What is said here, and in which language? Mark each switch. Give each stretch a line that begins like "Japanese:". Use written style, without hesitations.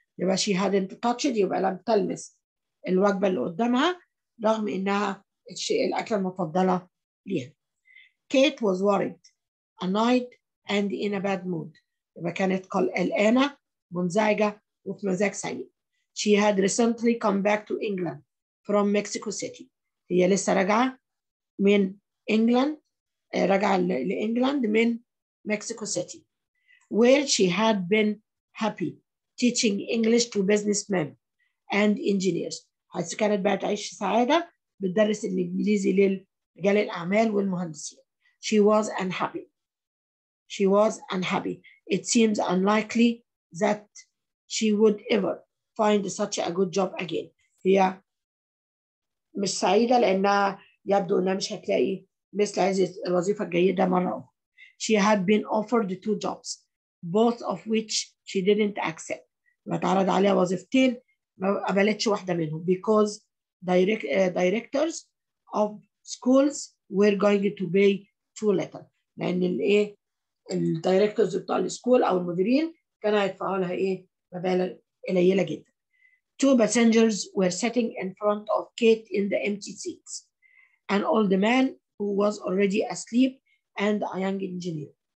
Arabic: يبقى she hadn't touched, يبقى لم تلمس الوجبة اللي قدامها رغم إنها الأكلة المفضلة ليها.
English: Kate was worried, annoyed, and in a bad mood.
Arabic: يبقى كانت قلقانة منزعجة وفي مزاج سيء.
English: She had recently come back to England from Mexico City. هي لسه راجعة من إنجلاند, رجع لإنجلاند من Mexico City, where she had been happy teaching English to businessmen and engineers.
Arabic: حيث كانت بقى تعيش سعادة بتدرس الإنجليزي للرجال الأعمال والمهندسين.
English: She was unhappy. She was unhappy. It seems unlikely that she would ever find such a good job again.
Arabic: هي مش سعيدة لأنها يبدو أنها مش هتلاقي مثل هذه الوظيفة الجيدة مرة أخرى.
English: She had been offered two jobs, both of which she didn't accept. واتعرض عليها وظيفتين ما قبلتش واحدة منهم, because directors of schools were going to pay too little.
Arabic: لأن الإيه؟ الدايركتورز بتاع السكول أو المديرين كانوا هيدفعوا لها إيه؟ مبالغ قليلة جدا.
English: Two passengers were sitting in front of Kate in the empty seats. An old man who was already asleep and a young engineer.